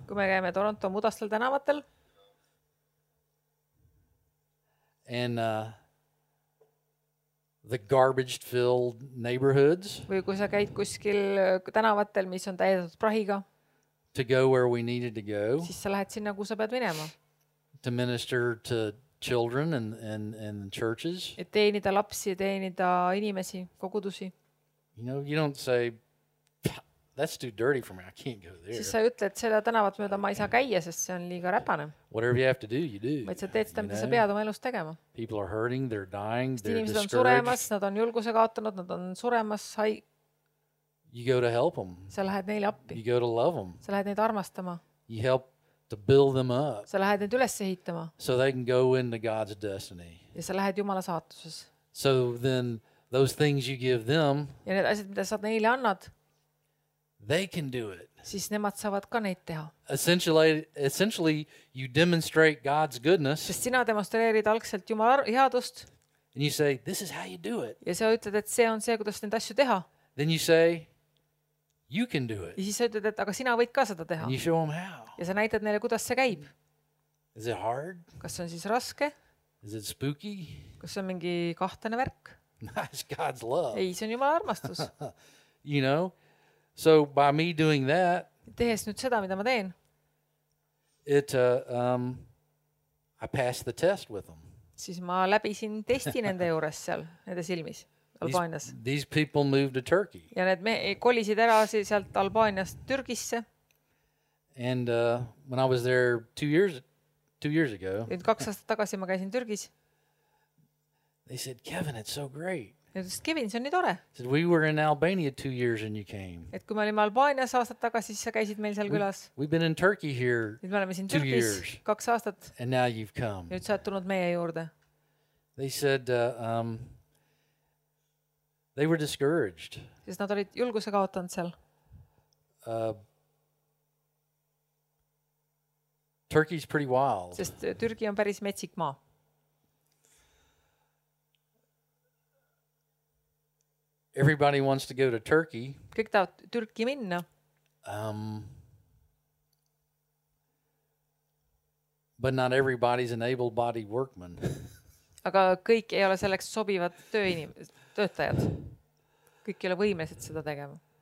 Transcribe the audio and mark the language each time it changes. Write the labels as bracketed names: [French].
[Estonian] Kui me käime Toronto mudastel tänavatel. [English] And the garbage filled neighborhoods. [Estonian] Või kui sa käid kuskil tänavatel, mis on täidetud prahiga. [English] To go where we needed to go. [Estonian] Siis sa lähed sinna, kus sa pead minema. [English] To minister to children and churches. [Estonian] Et teenida lapsi, teenida inimesi, kogudusi. [English] You know, you don't say, that's too dirty for me, I can't go there. [Estonian] Siis sa ütled, seda tänavat mööda ma ei saa käia, sest see on liiga räpane. [English] Whatever you have to do, you do. [Estonian] Vaid sa teed seda, mida sa pead oma elus tegema. [English] People are hurting, they're dying, they're discouraged. [Estonian] Inimesed on suremas, nad on julguse kaotanud, nad on suremas. [English] You go to help them. [Estonian] Sa lähed neile appi. [English] You go to love them. [Estonian] Sa lähed neid armastama. [English] You help to build them up. [Estonian] Sa lähed neid üles ehitama. [English] So they can go into God's destiny. [Estonian] Ja sa lähed Jumala saatuses. [English] So then those things you give them. [Estonian] Ja need asjad, mida sa neile annad. [English] They can do it. [Estonian] Siis nemad saavad ka neid teha. [English] Essentially you demonstrate God's goodness. [Estonian] Sest sina demonstreerid algselt Jumala headust. [English] And you say, this is how you do it. [Estonian] Ja sa ütled, et see on see, kuidas neid asju teha. [English] Then you say, you can do it. [Estonian] Ja siis sa ütled, et aga sina võid ka seda teha. [English] And you show them how. [Estonian] Ja sa näitad neile, kuidas see käib. [English] Is it hard? [Estonian] Kas see on siis raske? [English] Is it spooky? [Estonian] Kas see on mingi kahtane värk? [English] It's God's love. [Estonian] Ei, see on Jumala armastus. [English] You know, so by me doing that, [Estonian] tehes nüüd seda, mida ma teen, [English] I pass the test with them. [Estonian] Siis ma läbisin testi nende juures seal, nende silmis. Albaanias. [English] These people moved to Turkey. [Estonian] Ja need me kolisid ära sealt Albaaniast Türgisse. [English] And when I was there two years ago. [Estonian] Nüüd kaks aastat tagasi ma käisin Türgis. [English] They said, Kevin, it's so great. [Estonian] Ütles, Kevin, see on nii tore. [English] Said, we were in Albania 2 years and you came. [Estonian] Et kui me olime Albaanias aastat tagasi, siis sa käisid meil seal külas. [English] We've been in Turkey here. [Estonian] Nüüd me oleme siin Türgis kaks aastat. [English] And now you've come. [Estonian] Nüüd sa oled tulnud meie juurde. [English] They said they were discouraged. [Estonian] Siis nad olid julguse kaotanud seal. [English] Turkey's pretty wild. [Estonian] Sest Türgi on päris metsik maa. [English] It Everybody wants to go to Turkey. [Estonian] Kõik tahavad Türki minna. [English] But not everybody's an able-bodied workman. [Estonian] Aga kõik ei ole selleks sobivad töötajad. Kõik ei ole võimesed seda tegema.